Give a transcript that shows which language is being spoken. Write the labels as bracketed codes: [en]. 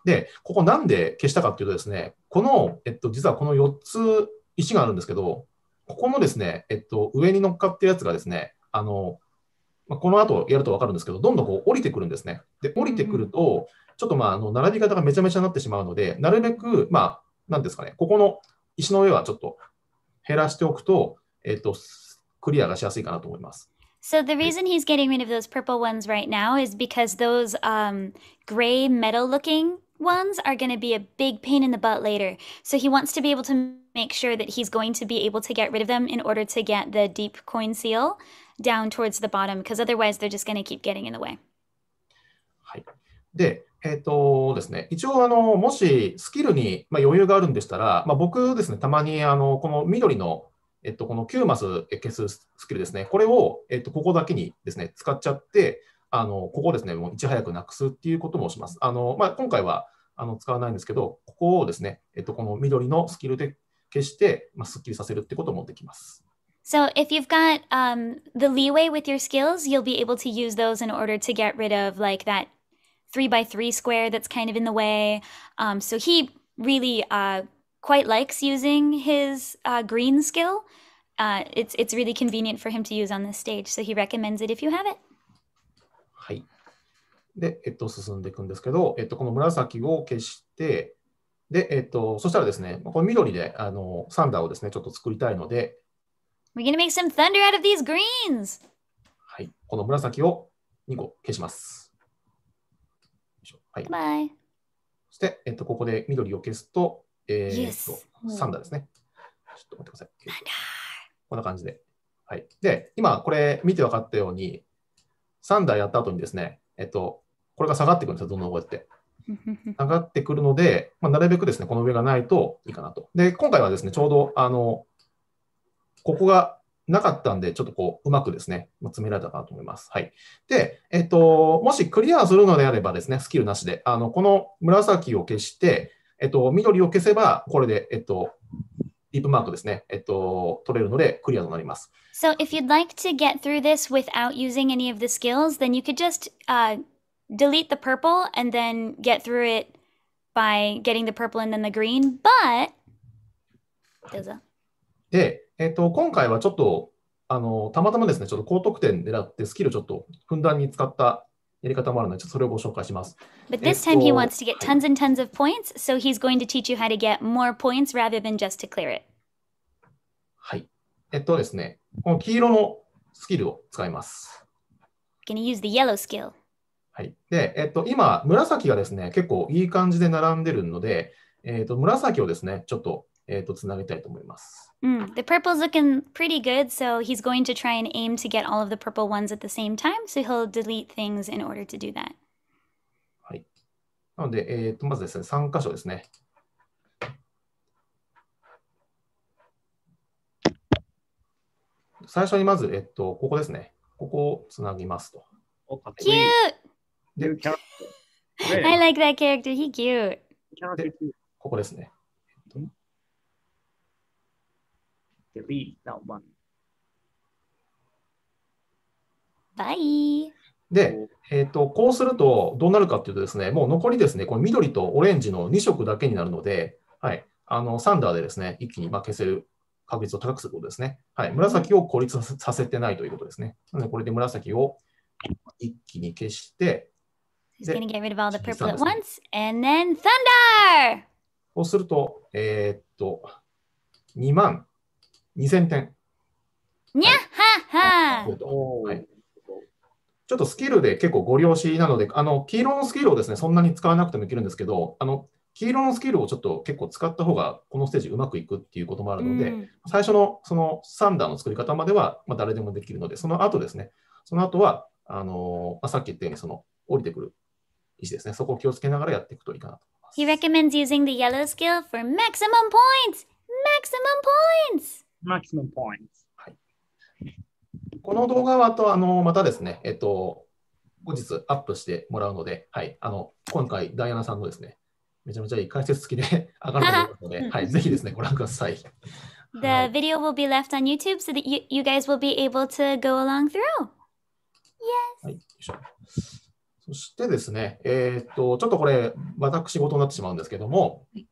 [ja] で、ここなんで消したかっていうとですね、この、実はこの4つ石があるんですけど、ここのですね、上に乗っかってるやつがですね、この後やると分かるんですけど、どんどんこう降りてくるんですね。で、降りてくると、ちょっとまあ、並び方がめちゃめちゃになってしまうので、なるべく、なんですかね、ここの石の上はちょっと減らしておくと、クリアがしやすいかなと思います。 [en] So the reason he's getting rid of those purple ones right now is because those gray metal looking ones are going to be a big pain in the butt later. So he wants to be able to make sure that he's going to be able to get rid of them in order to get the deep coin seal down towards the bottom, because otherwise they're just going to keep getting in the way. [ja] はい。で、ですね、一応もしスキルに、まあ、余裕があるんでしたら、まあ、僕ですね、たまにこの緑の、この9マス消すスキルですね、これを、ここだけにですね、使っちゃって、ここですね、もういち早くなくすっていうこともします。まあ、今回は使わないんですけど、ここをですね、この緑のスキルで消して、まあ、スッキリさせるってこともできます。 [en] So if you've got the leeway with your skills, you'll be able to use those in order to get rid of like that 3x3 square that's kind of in the way. So he really quite likes using his green skill. It's really convenient for him to use on this stage. So he recommends it if you have it. [ja] はい。で、進んでいくんですけど、この紫を消して、で、そしたらですね、この緑でサンダーをですね、ちょっと作りたいので、 [en] We're gonna make some thunder out of these greens. [ja] はい、この紫を2個消します。はい。 [en] Bye. [ja] そして、ここで緑を消すと、 [en] yes. [ja] サンダーですね。ちょっと待ってください。 [en] Thunder. [ja] こんな感じで。はい。で、今これ見て分かったように、サンダーやった後にですね、これが下がってくるんですよ、どんどんこうやって。下がってくるので、まあ、なるべくですね、この上がないといいかなと。で、今回はですね、ちょうど、ここがなかったんで、ちょっとこう、うまくですね、詰められたかなと思います。はい。で、もしクリアするのであればですね、スキルなしで、この紫を消して、緑を消せば、これで、ディープマークですね、取れるので、クリアとなります。 [en] So if you'd like to get through this without using any of the skills, then you could just, delete the purple and then get through it by getting the purple and then the green, but... [ja] どうぞ。で、今回はちょっと、たまたまですね、ちょっと高得点狙ってスキルちょっとふんだんに使ったやり方もあるので、ちょっとそれをご紹介します。 [en] But this time he wants to get tons and tons of points, so he's going to teach you how to get more points rather than just to clear it. [ja] はい。ですね、この黄色のスキルを使います。 [en] Gonna use the yellow skill. [ja] はい。で、今、紫がですね、結構いい感じで並んでるので、紫をですね、ちょっと、つなげたいと思います。 [en] The purple's looking pretty good, so he's going to try and aim to get all of the purple ones at the same time, so he'll delete things in order to do that. [ja] はい。なので、まずですね、3箇所ですね。最初にまず、ここですね。ここをつなぎますと。 [en] キュート I like that character, he cute! [ja] ここですね。 [en] Delete that one. Bye. [ja] で、こうするとどうなるかっていうとですね、もう残りですね、この緑とオレンジの2色だけになるので、はい、サンダーでですね、一気に消せる確率を高くすることですね。はい、紫を孤立させてないということですね。なので、これで紫を一気に消して、 [en] He's gonna get rid of all the purple at once, and then thunder! [ja] こうすると、2万。2000点。にゃっはっは、はい、ちょっとスキルで結構ご利用しなので、黄色のスキルをですね、そんなに使わなくてもいけるんですけど、黄色のスキルをちょっと結構使った方が、このステージうまくいくっていうこともあるので、うん、最初のそのサンダーの作り方までは、まあ、誰でもできるので、その後ですね、その後は、まあ、さっき言ったように、その降りてくる石ですね、そこを気をつけながらやっていくといいかなと思います。 [en] He recommends using the yellow skill for maximum points! Maximum points! Maximum points. [ja] はい、この動画はあとまたですね、後日アップしてもらうので、はい、今回ダイアナさんのですね、めちゃめちゃいい解説付きで上がると思うので、はい、ぜひですね、ご覧ください。 [en] The video will be left on YouTube so that you guys will be able to go along through. Yes! [ja] はい、よいしょ。そしてですね、ちょっとこれ、私事になってしまうんですけども、